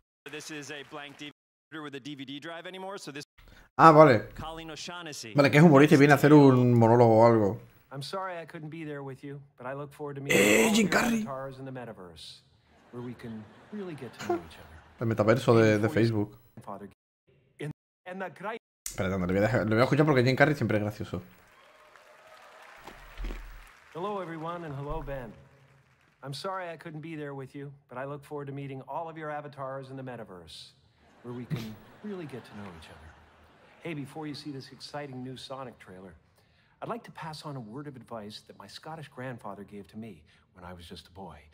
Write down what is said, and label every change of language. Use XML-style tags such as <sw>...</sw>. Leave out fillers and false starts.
<en>This is a blank DVD with a DVD drive anymore, so this...</en> <es>Ah, vale. Vale, que es humorista y viene a hacer un monólogo o algo.</es> <en>I'm sorry I couldn't be there with you, but I look forward to meeting stars in the metaverse where we can really get to know each other.</en> <es>El metaverso de Facebook. Espera, no, lo voy a escuchar porque Jim Carrey siempre es gracioso.</es> <en>Hello everyone and hello Ben. I'm sorry I couldn't be there with you, but I look forward to meeting all of your avatars in the metaverse where we can really get to know each other. Hey, before you see this exciting new Sonic trailer, I'd like to pass on a word of advice that my Scottish grandfather gave to me when I was just a boy.</en>